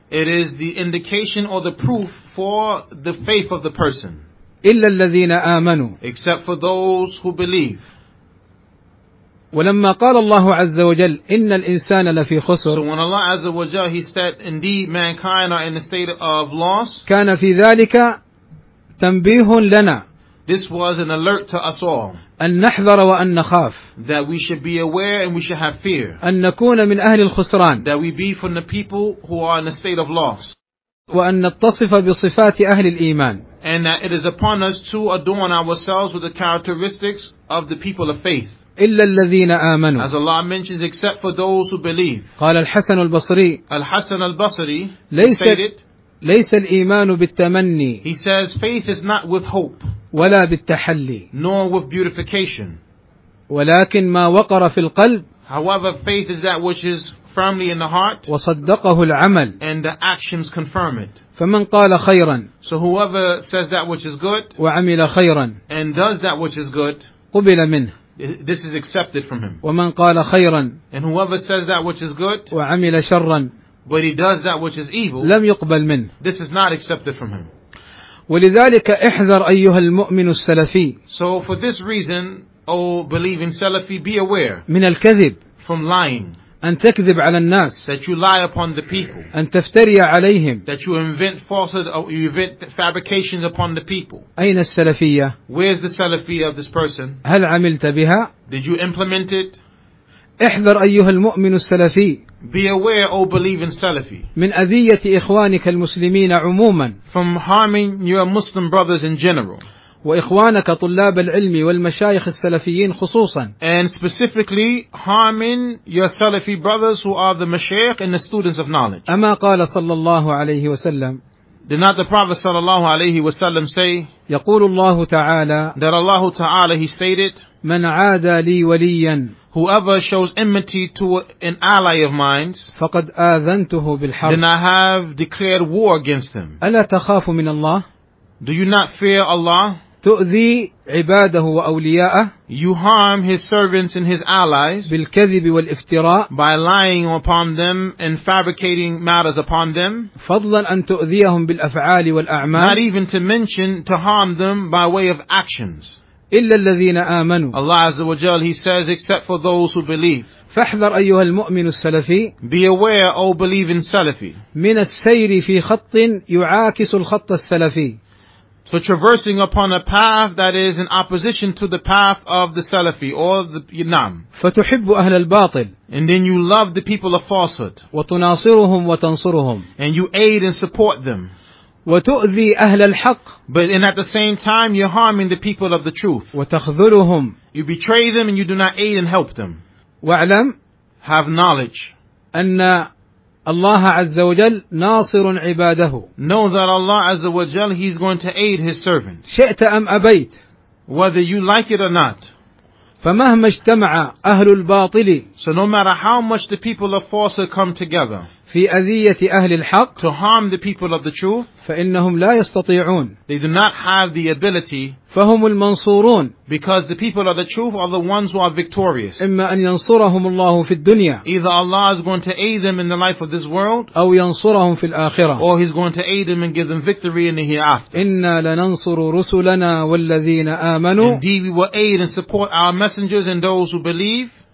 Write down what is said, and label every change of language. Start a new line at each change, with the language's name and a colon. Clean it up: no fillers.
English: It is the indication or the proof for the faith of the person.
Arabic: إلا الذين آمنوا.
English: Except for those who believe.
Arabic: ولما قال الله عز وجل إن الإنسان لفي خسر.
English: So when Allah
Arabic: عز وجل
English: he said indeed mankind are in a state of loss.
Arabic: كان في ذلك تنبيه لنا.
English: This was an alert to us all.
Arabic: أن نحذر وأن نخاف.
English: That we should be aware and we should have fear.
Arabic: أن نكون من أهل الخسران.
English: That we be from the people who are in a state of loss.
Arabic: وأن نتصف بصفات أهل الإيمان.
English: And that it is upon us to adorn ourselves with the characteristics of the people of faith.
Arabic: إلا الذين آمنوا.
English: As Allah mentions, except for those who believe.
Arabic: قال الحسن البصري. الحسن البصري. ليس الإيمان بالتمني.
English: He says, faith is not with hope.
Arabic: ولا بالتحلي.
English: Nor with beautification.
Arabic: ولكن ما وقر في القلب.
English: However, faith is that which is firmly in the heart.
Arabic: وصدقه العمل.
English: And the actions confirm it.
Arabic: فمن قال خيرا.
English: So whoever says that which is good.
Arabic: وعمل خيرا.
English: And does that which is good.
Arabic: قبل منه.
English: This is accepted from him.
Arabic: ومن قال خيرا.
English: And whoever says that which is good.
Arabic: وعمل شرا.
English: but he does that which is evil,
Arabic: لم يقبل منه.
English: This is not accepted from him.
Arabic: ولذلك احذر أيها المؤمن السلفي.
English: So for this reason, O believing Salafi, be aware.
Arabic: من الكذب.
English: From lying.
Arabic: أن تكذب على الناس.
English: That you lie upon the people.
Arabic: أن تفتري عليهم.
English: That you invent falsehood or you invent fabrications upon the people.
Arabic: أين السلفية؟
English: Where's the Salafi of this person?
Arabic: هل عملت بها؟
English: Did you implement it?
Arabic: احذر أيها المؤمن السلفي.
English: Be aware, O believing Salafi.
Arabic: من أذية إخوانك المسلمين عموما.
English: From harming your Muslim brothers in general.
Arabic: وإخوانك طلاب العلم والمشايخ السلفيين خصوصا.
English: And specifically harming your Salafi brothers who are the mashayikh and the students of knowledge.
Arabic: أما قال صلى الله عليه وسلم.
English: Did not the Prophet
Arabic: صلى الله عليه وسلم
English: say.
Arabic: يقول الله تعالى.
English: That Allah تعالى he stated.
Arabic: من عادى لي وليا.
English: Whoever shows enmity to an ally of mine,
Arabic: فقد آذنته بالحرب.
English: Then I have declared war against them.
Arabic: ألا تخاف من الله؟
English: Do you not fear Allah?
Arabic: تؤذي عباده وأولياءه.
English: You harm his servants and his allies.
Arabic: بالكذب والافتراء.
English: By lying upon them and fabricating matters upon them.
Arabic: فضلا أن تؤذيهم بالأفعال والأعمال.
English: Not even to mention to harm them by way of actions.
Arabic: إلا الذين آمنوا.
English: Allah Azza wa Jal, He says, except for those who believe.
Arabic: فاحذر أيها المؤمن السلفي.
English: Be aware, O believing Salafi.
Arabic: من السير في خط يعاكس الخط السلفي.
English: So traversing upon a path that is in opposition to the path of the Salafi or the Imam.
Arabic: فتحب أهل الباطل.
English: And then you love the people of falsehood.
Arabic: وتناصرهم وتنصرهم.
English: And you aid and support them.
Arabic: وتؤذي أهل الحق.
English: But and at the same time you're harming the people of the truth.
Arabic: وتخذلهم.
English: You betray them and you do not aid and help them.
Arabic: واعلم.
English: Have knowledge.
Arabic: أن الله عز وجل ناصر عباده.
English: Know that Allah
Arabic: عز وجل
English: he's going to aid his servant.
Arabic: شئت أم أبيت.
English: Whether you like it or not.
Arabic: فمهما اجتمع أهل الباطل.
English: So no matter how much the people of falsehood come together.
Arabic: في أذية أهل الحق.
English: To harm the people of the truth.
Arabic: فإنهم لا يستطيعون.
English: They do not have the ability.
Arabic: فهم المنصورون.
English: Because the people of the truth are the ones who are victorious.
Arabic: إما أن ينصرهم الله في الدنيا.
English: Either Allah is going to aid them in the life of this world.
Arabic: أو ينصرهم في الآخرة.
English: Or He's going to aid them and give them victory in the hereafter.
Arabic: إنا لننصر رسلنا والذين آمنوا.
English: Indeed we will aid and support our messengers and those who believe.